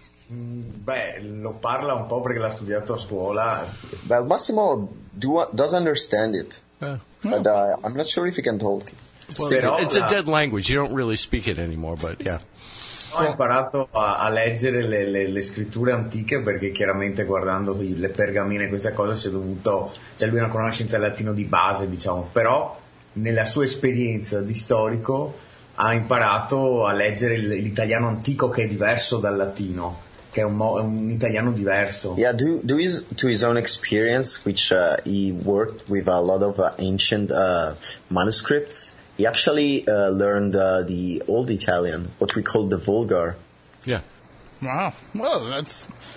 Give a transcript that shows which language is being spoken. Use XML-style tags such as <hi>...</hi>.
<it>Beh, lo parla un po' perché l'ha studiato a scuola.</it> <en>Well, Massimo does understand it, but I'm not sure if he can talk. Well, it's a dead language. You don't really speak it anymore, but yeah.</en> <it>Ho imparato a leggere le scritture antiche, perché chiaramente guardando le pergamene questa cosa si è dovuto, cioè lui ha una conoscenza del latino di base, diciamo. Però nella sua esperienza di storico ha imparato a leggere l'italiano antico, che è diverso dal latino. Che è un italiano diverso.</it> <en>Yeah, due to his own experience, which he worked with a lot of ancient manuscripts, he actually learned the old Italian, what we call the Vulgar. Yeah. Wow. Well, that's...</en>